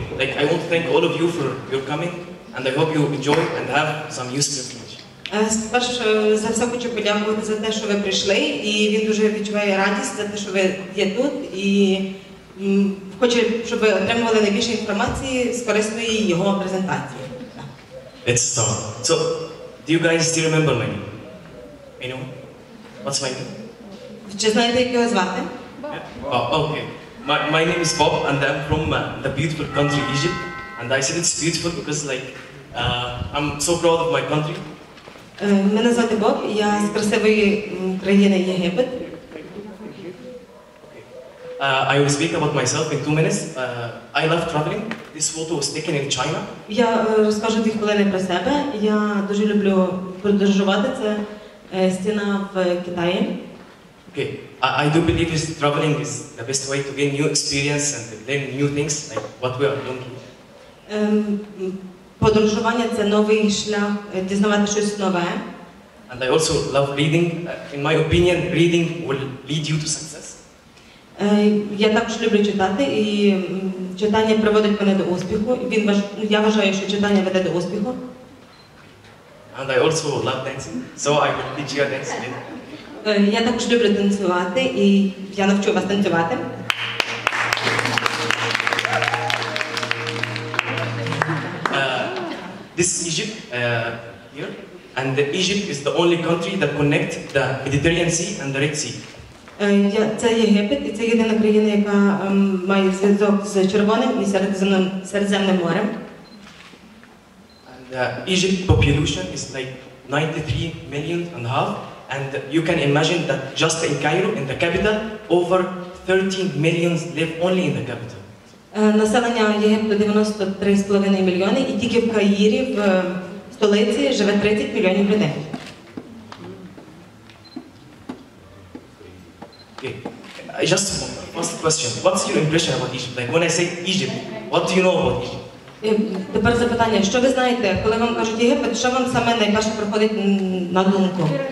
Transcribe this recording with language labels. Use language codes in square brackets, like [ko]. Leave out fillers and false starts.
[en] Like, I want to thank all of you for your coming, and I hope you enjoy and have some useful information. [uk] Перш за все хочу подякувати за те, що ви прийшли, і він дуже відчуває радість за те, що ви є тут, і хоче, щоб ви отримували найбільше інформації з корисної його презентації. [en] Let's start. So, do you guys still remember my name? Anyone? What's my name? [uk] Чи знаєте, як його звати? [en] Okay. My name is Bob, and I'm from the beautiful country Egypt. And I said it's beautiful because, I'm so proud of my country. [uk] Мене звати Боб, я з красивої країни Єгипет. [en] I will speak about myself in 2 minutes. I love traveling. This photo was taken in China. [uk] Я розкажу 2 хвилини про себе. Я дуже люблю подорожувати. Це стіна в Китаї. [en] Okay, I do believe is traveling is the best way to gain new experience and learn new things, like what we are doing here. [uk] Подорожування – це новий шлях, дізнавати щось нове. [en] And I also love reading. In my opinion, reading will lead you to success. [uk] Я також люблю читати, і читання приводить мене до успіху. Я вважаю, що читання веде до успіху. [en] And I also love dancing, so I will teach you a dance later. [uk] Я також люблю танцювати, і я навчу вас танцювати. [en] This is Egypt, here, and Egypt is the only country that connects the Mediterranean Sea and the Red Sea. [uk] Це Єгипет, і це єдина країна, яка має зв'язок з Червоним і Середземним морем. [en] And Egypt population is like 93 million and a half. And you can imagine that just in Cairo, in the capital, over 13 million live only in the capital. [uk] Населення Єгипту 93,5 мільйони, і тільки в Каїрі, в столиці, живе 30 мільйонів людей. [en] Okay. Just one question. What's your impression about Egypt? Like when I say Egypt, what do you know about Egypt? [uk] Тепер запитання. Що ви знаєте, коли вам кажуть Єгипет, що вам саме найперше приходить на думку?